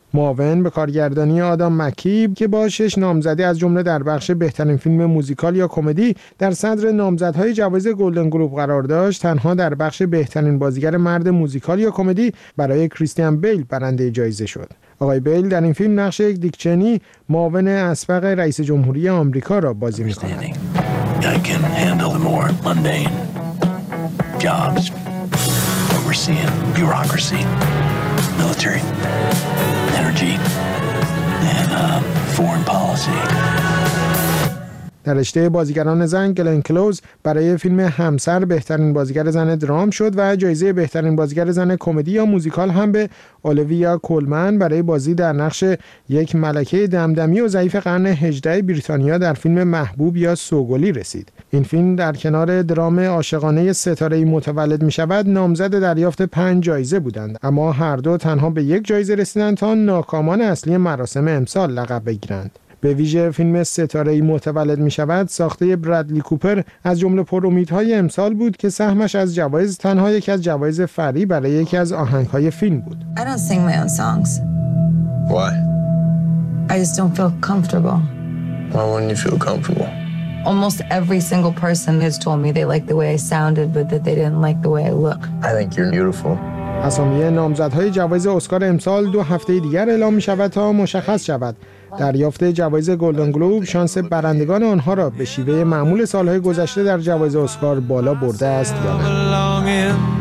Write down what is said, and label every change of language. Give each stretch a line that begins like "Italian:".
Persian: معاون به کارگردانی آدام مکیب که با 6 نامزدی از جمله در بخش بهترین فیلم موزیکال یا کمدی در صدر نامزدهای جوایز گلدن گلوب قرار داشت، تنها در بخش بهترین بازیگر مرد موزیکال یا کمدی برای کریستیان بیل برنده جایزه شد. آقای بیل در این فیلم نقش یک دیک چنی، معاون اسبق رئیس جمهوری آمریکا را بازی می‌کند.
English: I can handle the more mundane jobs, overseeing bureaucracy, military, energy, and foreign policy.
Persian: در رشته بازیگران زن گلن کلوز برای فیلم همسر بهترین بازیگر زن درام شد و جایزه بهترین بازیگر زن کمدی یا موزیکال هم به اولیویا کولمن برای بازی در نقش یک ملکه دمدمی و ضعیف قرن 18 بریتانیا در فیلم محبوب یا سوگلی رسید. این فیلم در کنار درام عاشقانه ستاره‌ای متولد می‌شود نامزد دریافت 5 جایزه بودند، اما هر دو تنها به یک جایزه رسیدند تا ناکامان اصلی مراسم امسال لقب بگیرند. به ویژه فیلم ستاره‌ای متولد می‌شود ساخته برادلی کوپر از جمله پرامیدهای امسال بود که سهمش از جوایز تنها یکی از جوایز فری برای یکی از آهنگ‌های فیلم بود.
English: I don't sing my own songs. Why? I just don't feel comfortable. Why wouldn't you feel comfortable? Almost every single person has told me they like the way I sounded but that they didn't like the way I look. I think you're beautiful.
Persian: اسامی نامزدهای جوایز اسکار امسال 2 هفته دیگر اعلام می‌شود تا مشخص شود. دریافت جوایز گلدن گلوب شانس برندگان آنها را به شیوه معمول سالهای گذشته در جوایز اسکار بالا برده است یا نه.